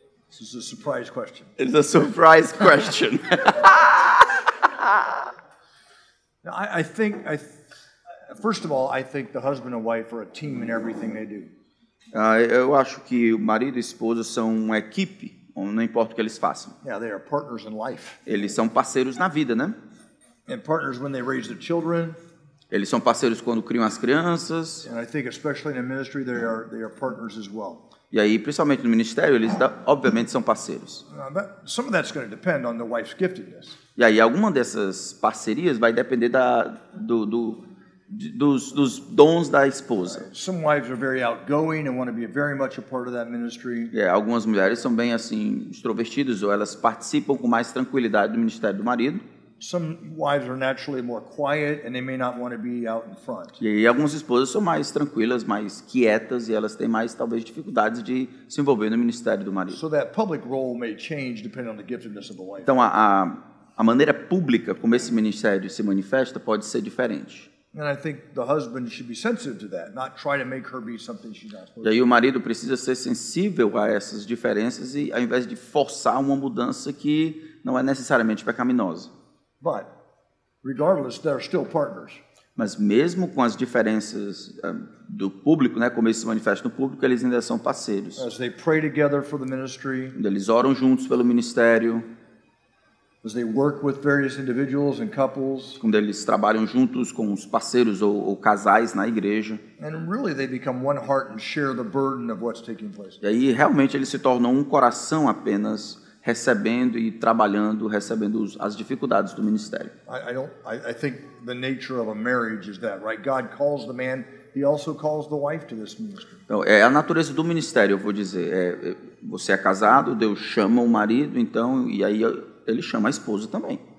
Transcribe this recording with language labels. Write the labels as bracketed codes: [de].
[en] This is a surprise question. It's a surprise question. Now, I think the husband and wife are a team in everything they do. [pt] Eu acho que o marido e a esposa são uma equipe, não importa o que eles façam. [en] Yeah, they are partners in life. [pt] Eles são parceiros na vida, né? [en] And partners when they raise their children. [pt] Eles são parceiros quando criam as crianças. [en] And I think especially in the ministry they are partners as well. [pt] E aí, principalmente no ministério, eles obviamente são parceiros. [en] Some of that's going to depend on the wife's giftedness. [pt] E aí, alguma dessas parcerias vai depender dos dons da esposa. [en] Some wives are very outgoing and want to be very much a part of that ministry. [pt] Yeah, algumas mulheres são bem assim extrovertidas, ou elas participam com mais tranquilidade do ministério do marido. [en] Some wives are naturally more quiet and they may not want to be out in front. [pt] E algumas esposas são mais tranquilas, mais quietas, e elas têm mais talvez dificuldades de se envolver no ministério do marido. [en] So that public role may change depending on the giftedness of the wife. [pt] Então a maneira pública como esse ministério se manifesta pode ser diferente. [en] And I think the husband should be sensitive to that, not try to make her be something she's not supposed to be. [pt] E aí o marido precisa ser sensível a essas diferenças e ao invés de forçar uma mudança que não é necessariamente pecaminosa. [en] But regardless, they're still partners. [pt] Mas mesmo com as diferenças do público, né, como eles se manifestam no público, eles ainda são parceiros. [en] As they pray together for the ministry. [pt] Eles oram juntos pelo ministério. [en] As they work with various individuals and couples. [pt] Quando eles trabalham juntos com os parceiros ou casais na igreja. [en] And really, they become one heart and share the burden of what's taking place. [pt] E aí realmente eles se tornam um coração apenas. Recebendo e trabalhando, recebendo as dificuldades do ministério. [en] I think the nature of a marriage is that, right? God calls the man, he also calls the wife to this ministry. [pt] Então, é a natureza do ministério, eu vou dizer. Você é casado, Deus chama o marido, então, e aí ele chama a esposa também.